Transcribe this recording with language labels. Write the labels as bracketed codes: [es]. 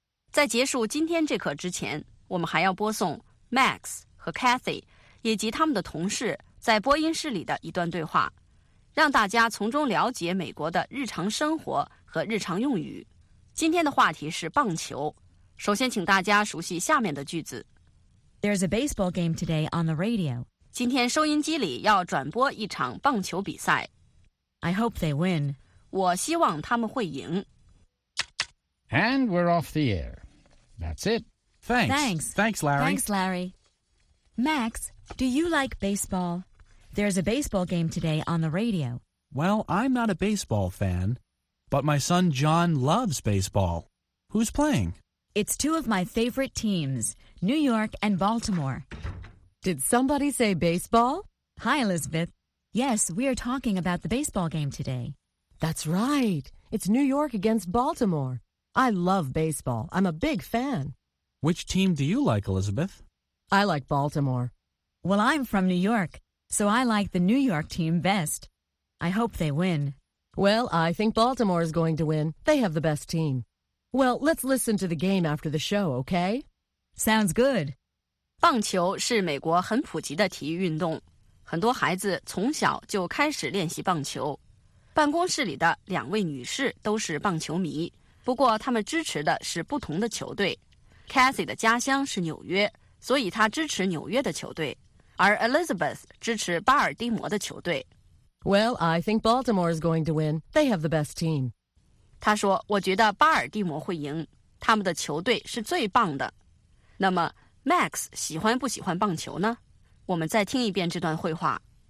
[zh] 在结束今天这课之前，我们还要播送 Max 和 Kathy 以及他们的同事在播音室里的一段对话，让大家从中了解美国的日常生活和日常用语。今天的话题是棒球。首先请大家熟悉下面的句子。 [en] There's a baseball game today on the radio. [zh] 今天收音机里要转播一场棒球比赛。 [en] I hope they win. [zh] 我希望他们会赢。 [en] And we're off the air. That's it. Thanks. Thanks. Thanks, Larry. Thanks, Larry. Max, do you like baseball? There's a baseball game today on the radio. Well, I'm not a baseball fan, but my son John loves baseball. Who's playing? It's two of my favorite teams, New York and Baltimore. Did somebody say baseball? Hi, Elizabeth. Yes, we are talking about the baseball game today. That's right. It's New York against Baltimore. I love baseball. I'm a big fan. Which team do you like, Elizabeth? I like Baltimore. Well, I'm from New York, so I like the New York team best. I hope they win. Well, I think Baltimore is going to win. They have the best team. Well, let's listen to the game after the show, okay? Sounds good. [zh] 棒球是美国很普及的体育运动，很多孩子从小就开始练习棒球。办公室里的两位女士都是棒球迷，不过她们支持的是不同的球队。 Cathy 的家乡是纽约，所以她支持纽约的球队，而 Elizabeth 支持巴尔的摩的球队。 [en] Well, I think Baltimore is going to win. They have the best team. [zh] 他说，我觉得巴尔的摩会赢，他们的球队是最棒的。那么 Max 喜欢不喜欢棒球呢？我们再听一遍这段会话。